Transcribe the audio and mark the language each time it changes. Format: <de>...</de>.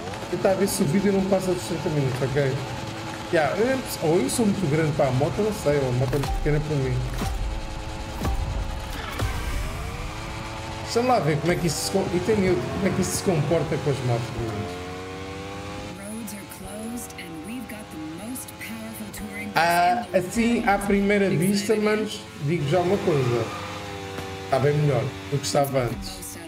<pt>Tentar ver se o vídeo não passa dos 30 minutos, ok? Yeah, ou eu sou muito grande para a moto, não sei. Ou a moto é muito pequena para mim. Vamos lá ver como é que isso se, e tenho, como é que isso se comporta com as motos.</pt> <en>Roads are closed and we've got the most powerful touring.</en> <pt>Assim à primeira vista, manos, digo já uma coisa. Está bem melhor do que estava antes.</pt>